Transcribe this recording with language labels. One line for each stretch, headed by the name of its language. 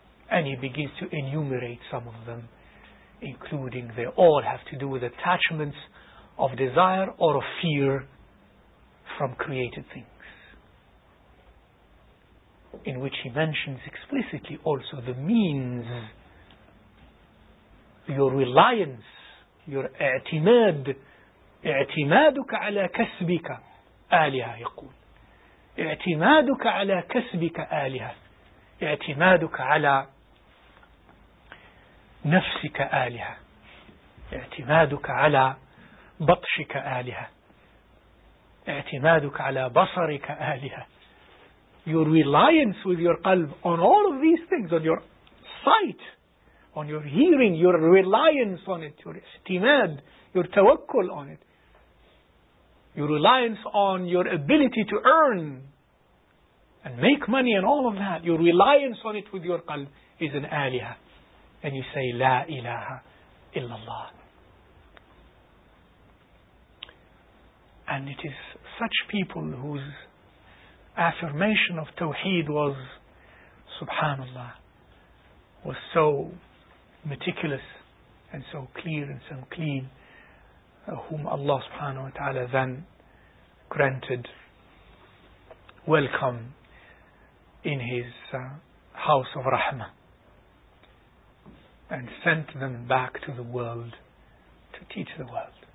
English: And he begins to enumerate some of them, including they all have to do with attachments of desire or of fear from created things, in which he mentions explicitly also the means your reliance, your
Arabic: اعتماد, اعتمادك على كسبك آلهة, يقول اعتمادك على كسبك آلهة, اعتمادك على نفسك آلهة, اعتمادك على بطشك آلهة, اعتمادك على بصرك آلهة.
English: Your reliance with your قلب on all of these things, on your sight, on your hearing, your reliance on it, your اعتماد, your توكل on it, your reliance on your ability to earn and make money and all of that, your reliance on it with your قلب is an آلهة. And you say,
Arabic: لا إله إلا الله.
English: And it is such people whose affirmation of Tawheed was, subhanallah, was so meticulous and so clear and so clean, whom Allah subhanahu wa ta'ala then granted welcome in His house of Rahmah and sent them back to the world to teach the world.